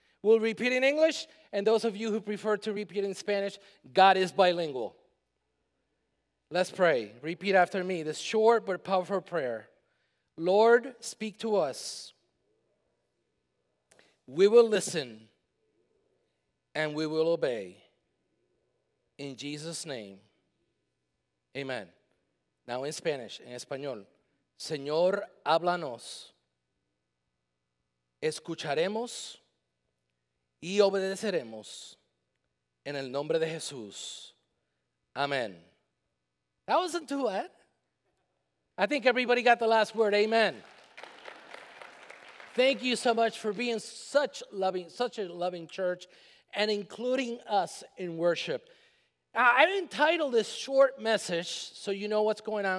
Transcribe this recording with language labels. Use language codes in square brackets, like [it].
[en] We'll repeat in English. And those of you who prefer to repeat in Spanish, God is bilingual. Let's pray. Repeat after me this short but powerful prayer. Lord, speak to us. We will listen and we will obey. In Jesus' name, amen. Now in Spanish, [es] en español. Señor, háblanos. Escucharemos y obedeceremos en el nombre de Jesús. [en] Amen. That wasn't too bad. I think everybody got the last word, amen. Thank you so much for being such a loving church and including us in worship. I've entitled this short message so you know what's going on.